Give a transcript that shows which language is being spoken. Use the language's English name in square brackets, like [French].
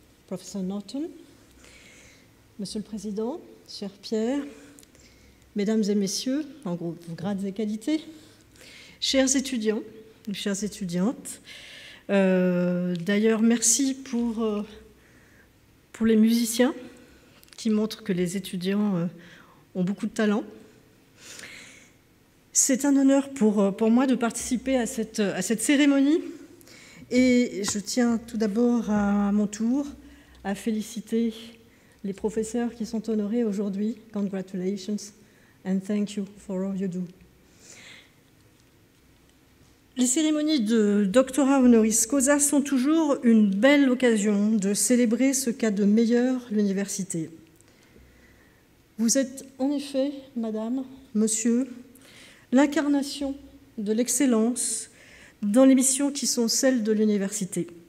[French] Professeur Norton, Monsieur le Président, cher Pierre, Mesdames et Messieurs, en gros, vos grades et qualités, chers étudiants, chères étudiantes, d'ailleurs, merci pour les musiciens qui montrent que les étudiants ont beaucoup de talent. C'est un honneur pour moi de participer à cette cérémonie et je tiens tout d'abord à mon tour à féliciter les professeurs qui sont honorés aujourd'hui. [English] Congratulations and thank you for all you do. [French] Les cérémonies de Doctorat Honoris Causa sont toujours une belle occasion de célébrer ce qu'a de meilleur l'université. Vous êtes en effet, madame, monsieur, l'incarnation de l'excellence dans les missions qui sont celles de l'université.